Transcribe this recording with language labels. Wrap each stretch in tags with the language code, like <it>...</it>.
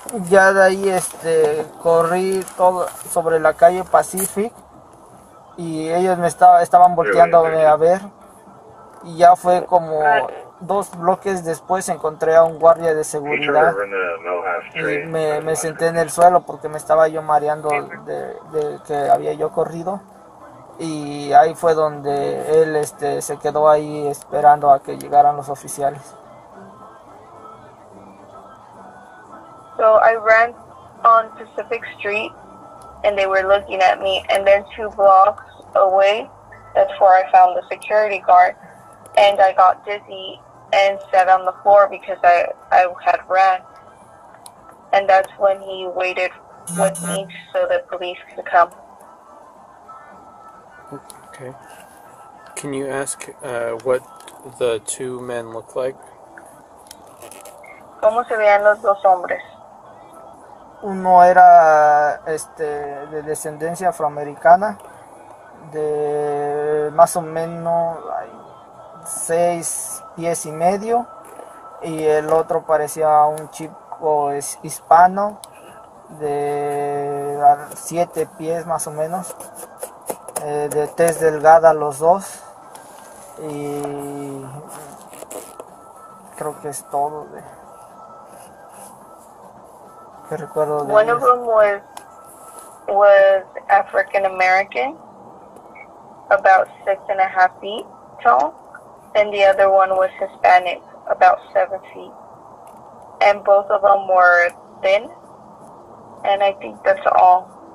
<es>Ya de ahí corrí todo sobre la calle Pacific y ellos me estaban volteándome a ver y ya fue como dos bloques después encontré a un guardia de seguridad y me senté en el suelo porque me estaba yo mareando de que había yo corrido y ahí fue donde él se quedó ahí esperando a que llegaran los oficiales.</es> <en>So I ran on Pacific Street and they were looking at me and then two blocks away, that's where I found the security guard and I got dizzy and sat on the floor because I had ran. And that's when he waited with me so the police could come. Okay. Can you ask what the two men look like?</en> <es>¿Cómo se veían los dos hombres? Uno era de descendencia afroamericana, de más o menos 6 pies y medio, y el otro parecía un chico hispano, de 7 pies más o menos, de tez delgada los dos, y creo que es todo de...</es> <en>One of them was African American, about 6.5 feet tall, and the other one was Hispanic, about 7 feet. And both of them were thin, and I think that's all.</en>